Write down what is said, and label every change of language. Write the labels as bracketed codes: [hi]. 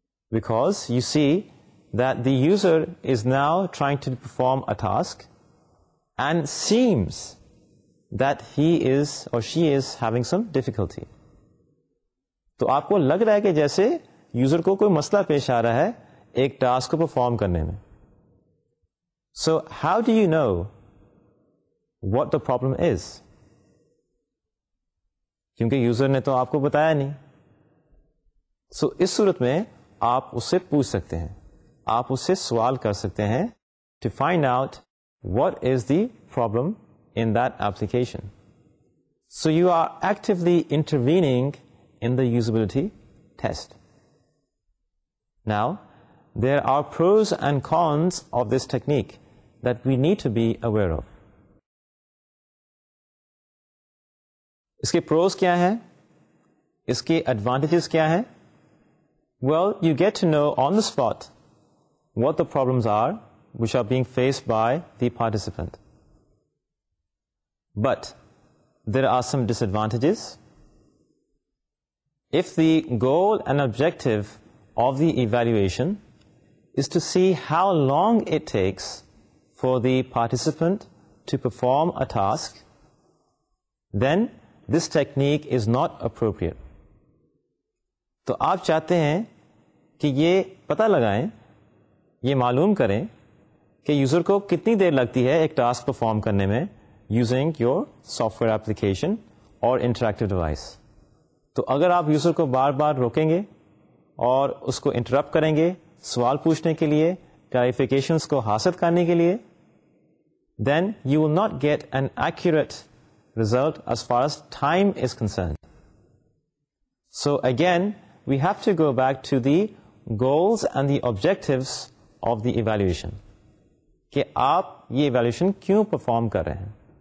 [en] Because you see that the user is now trying to perform a task and seems that he is or she is having some difficulty. [ur] تو آپ کو لگ رہا ہے کہ جیسے یوزر کو کوئی مسئلہ پیش آ رہا ہے ایک ٹاسک کو پرفارم کرنے میں. [en] So how do you know what the problem is? [ur] کیونکہ یوزر نے تو آپ کو بتایا نہیں. So اس صورت میں آپ اسے پوچھ سکتے ہیں, آپ اسے سوال کر سکتے ہیں [en] to find out what is the problem in that application. So you are actively intervening in the usability test. Now, there are pros and cons of this technique that we need to be aware of. [ur] اس کے pros کیا ہیں؟ [en] اس کے advantages کیا ہیں؟ Well, you get to know on the spot what the problems are which are being faced by the participant. But there are some disadvantages. If the goal and objective of the evaluation is to see how long it takes for the participant to perform a task, then this technique is not appropriate. [ur] تو آپ چاہتے ہیں کہ یہ پتہ لگائیں, یہ معلوم کریں کہ یوزر کو کتنی دیر لگتی ہے ایک ٹاسک پرفارم کرنے میں [en] using your software application [ur] اور انٹریکٹیو ڈیوائس. تو اگر آپ یوزر کو بار بار روکیں گے اور اس کو انٹرپٹ کریں گے سوال پوچھنے کے لیے, کلیریفیکیشنز کو حاصل کرنے کے لیے, [en] Then you will not get an accurate result as far as time is concerned. So again we have to go back to the goals and the objectives of the evaluation, [ur] کہ آپ یہ ایویلیویشن کیوں perform کر رہے ہیں.